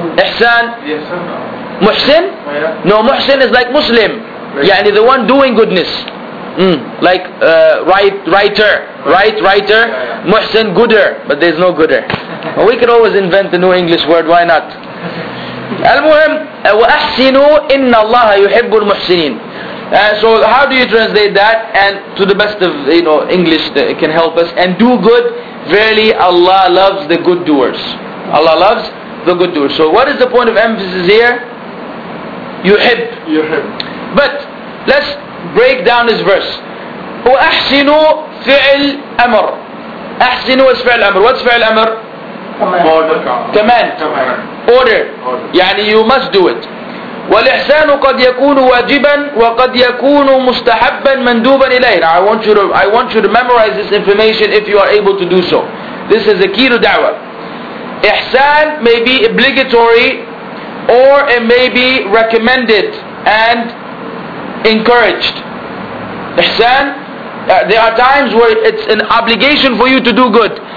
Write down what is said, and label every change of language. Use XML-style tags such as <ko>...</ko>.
<en>ihsan. Yes, muhsin? Oh, yeah. No, muhsin is like Muslim. Yani the one doing goodness. Like writer. Muhsin, gooder. But there's no gooder. Well, we could always invent a new English word, why not?</en> <ar>Al-Muhim, وَأَحْسِنُوا إِنَّ اللَّهَ يُحِبُّ الْمُحْسِنِينَ.</ar> <en>So how do you translate that? And to the best of, you know, English, it can help us. And do good, verily Allah loves the good doers. Allah loves the good doers. So what is the point of emphasis here? يُحِبْ. But let's break down this verse.</en> <ar>وَأَحْسِنُوا فِعْلْ أَمَرْ. أَحْسِنُوا is فِعْلْ أَمَرْ. What's فِعْلْ أَمَرْ?</ar> <en>Command. Order. يعني you must do it.</en> <ar>والإحسان قد يكون واجبا وقد يكون مستحبا مندوبا إليه.</ar> <en>Now I want you to memorize this information if you are able to do so. This is the key to da'wah. إحسان may be obligatory or it may be recommended and encouraged. إحسان, there are times where it's an obligation for you to do good.</en>